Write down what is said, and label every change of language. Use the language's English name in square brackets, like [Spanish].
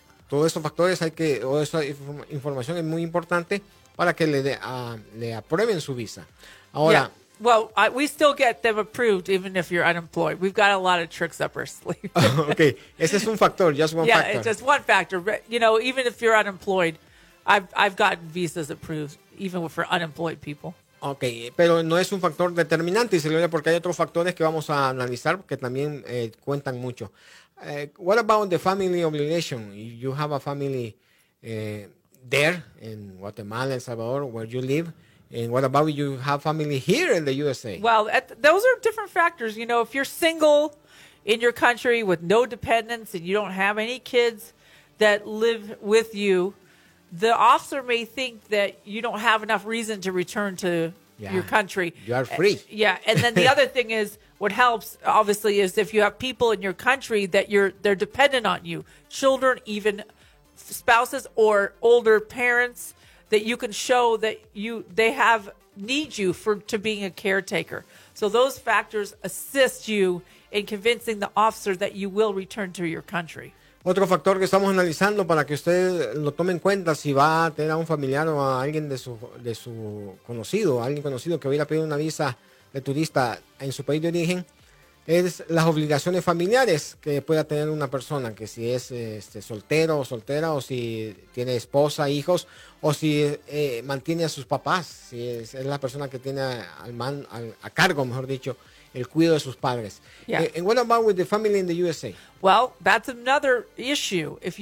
[Spanish] Todos esos factores hay que, o esa información es muy importante para que le aprueben su visa. Ahora, [English] yeah. Well, we still get them approved even if you're unemployed. We've got a lot of tricks up our sleeve. [Spanish] Okay, ese es un factor, [English] just one factor. Yeah, it's just one factor, but you know, even if you're unemployed, I've gotten visas approved even for unemployed people. [Spanish] Okay, pero no es un factor determinante, porque hay otros factores que vamos a analizar que también cuentan mucho. [English] What about the family obligation? You have a family there in Guatemala, El Salvador, where you live. And what about you have family here in the USA? Well, those are different factors. You know, if you're single in your country with no dependents and you don't have any kids that live with you, the officer may think that you don't have enough reason to return to your country. You are free. Yeah. And then the other thing is what helps, obviously, is if you have people in your country that they're dependent on you, children, even spouses or older parents, that you can show that they need you to being a caretaker. So those factors assist you in convincing the officer that you will return to your country. [Spanish] Otro factor que estamos analizando para que usted lo tome en cuenta si va a tener a un familiar o a alguien de su conocido, alguien conocido que vaya a pedir una visa de turista en su país de origen, es las obligaciones familiares que pueda tener una persona, que si es soltero o soltera, o si tiene esposa, hijos, o si mantiene a sus papás, si es la persona que tiene a cargo, el cuidado de sus padres. [English] Yeah. And what about with the family in the USA? Well, that's another issue.